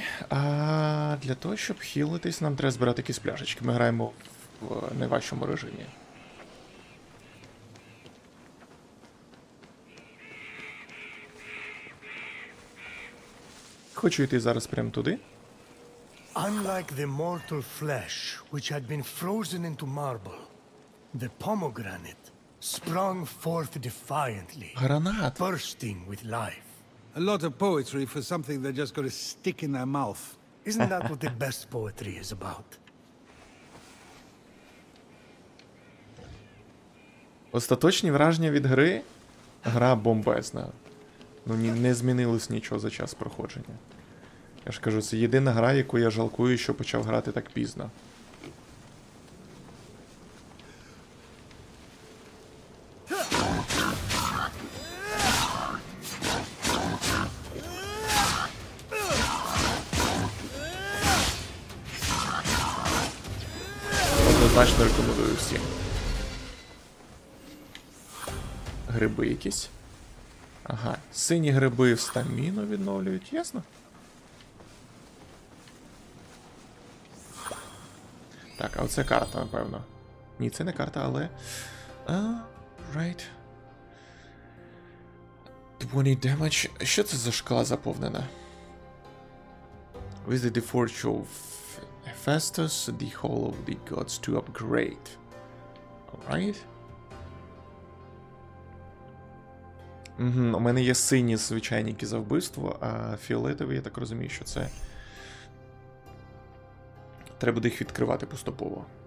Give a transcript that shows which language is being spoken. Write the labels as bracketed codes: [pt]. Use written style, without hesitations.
[uk] А для того, щоб хілитись, нам треба збирати якісь пляшечки. Ми граємо в найважчому режимі. Хочу йти зараз прямо туди. [en] Unlike the mortal flesh, which had been frozen into marble, the pomegranate sprung forth defiantly. [uk] Гранат. [en] Bursting with life. A lot of poetry for something they just got to stick in their mouth. Isn't that what the best poetry is about? [uk] Остаточні враження від гри? Гра бомбезна. Ну, не змінилось нічого за час проходження. Я ж кажу, це єдина гра, яку я жалкую, що почав грати так пізно. Значно рекомендую всім. Гриби якісь? Ага, сині гриби стаміну відновлюють, ясно? Так, а оце карта, напевно. Ні, це не карта, але... [en] Right. 20 damage. [uk] Що це за шкала заповнена? [en] Visit the Forge of Hephaestus, the Hall of the Gods to upgrade. Alright. [uk] Угу, у мене є сині звичайники за вбивство, а фіолетові, я так розумію, що це... Треба буде їх відкривати поступово.